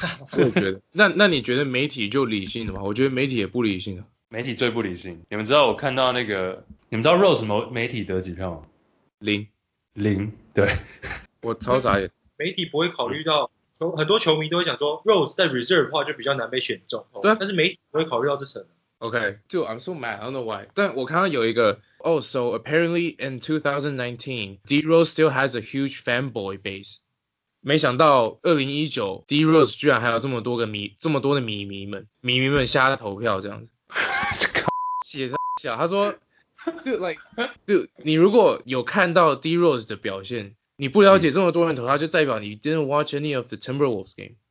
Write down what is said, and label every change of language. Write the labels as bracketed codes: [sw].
[zh] 我觉得，那你觉得媒体就理性的吗？我觉得媒体也不理性啊。媒体最不理性，你们知道我看到那个，你们知道 Rose 媒体得几票吗？零，零，对，我超傻眼。媒体不会考虑到，很多球迷都会想说 Rose 在 reserve 的话就比较难被选中，对、啊，但是媒体不会考虑到这层。 [en] OK， dude， I'm so mad， I don't know why。 [zh] 但我看到有一个 [en] ，Oh， so apparently in 2019， D Rose still has a huge fanboy base。 [zh] 没想到2019 D Rose 居然还有这么多个迷，这么多的迷迷们瞎投票这样子。写上小，他说 ， [en] dude like dude， [zh] 你如果有看到 D Rose 的表现，你不了解这么多人投他，就代表你 [en] didn't watch any of the Timberwolves game。